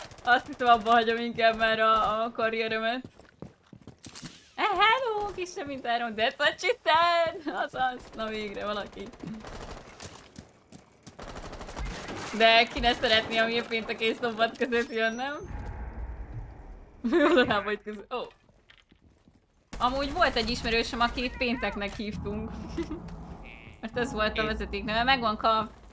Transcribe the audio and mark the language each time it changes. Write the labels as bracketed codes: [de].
[hu] Azt hiszem abba hagyom inkább már a karrieremet. Hello, kisebb mint Aaron, [en] that's what she said! [hu] Azaz, na végre valaki. De ki ne szeretné, ami a péntek és szombat között jön, nem? Mi az a lábaid között? Ó. Oh. Amúgy volt egy ismerősöm, akit pénteknek hívtunk. Mert ez volt a vezeték neve, megvan kap.